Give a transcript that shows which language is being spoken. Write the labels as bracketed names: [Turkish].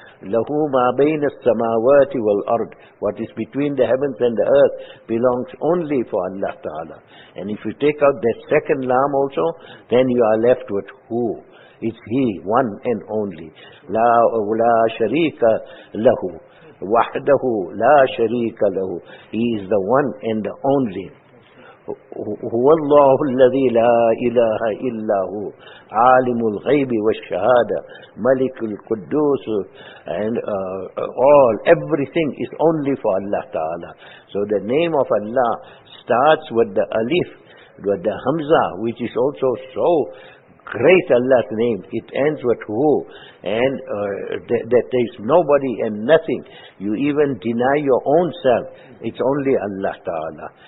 [Arabic] Lahu ma bayna samawati wal ard. [English] What is between the heavens and the earth belongs only for Allah Ta'ala. And if you take out that second lam also, then you are left with who. It's He, one and only. La sharika lahu. Wahdahu la sharika lahu. He is the one and the only. [Arabic] هو الله الذي لا إله إلا هو عالم الغيب والشهادة ملك القدوس [English] and all everything is only for Allah Ta'ala. So the name of Allah starts with the alif, with the hamza, which is also so great Allah's name. It ends with who, and that there is nobody and nothing. You even deny your own self. It's only Allah Ta'ala.